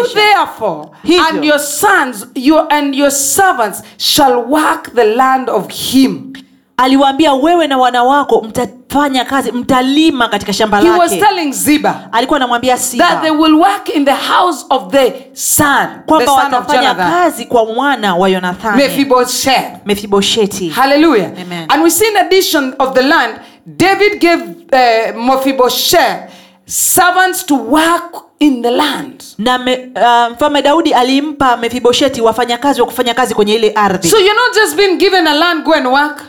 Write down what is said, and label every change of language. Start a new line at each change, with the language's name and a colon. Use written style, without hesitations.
English: You therefore and your sons, you and your servants shall work the land of him.
Swahili: Aliwaambia wewe na wana wako mtafanya kazi, mtalima katika shamba lake.
English: He was telling Ziba.
Swahili: Alikuwa anamwambia Ziba.
English: That they will work in the house of the son.
Swahili: Kwamba watafanya kazi kwa mwana wa Yonathani. Mephibosheti.
English: Hallelujah. Amen. And we see in addition of the land, David gave Mephibosheth servants to work in the land.
Swahili: Na mfalme Daudi alimpa Mephibosheti wafanyakazi wa kufanya kazi kwenye ile ardhi.
English: So you're not just being given a land, go and work.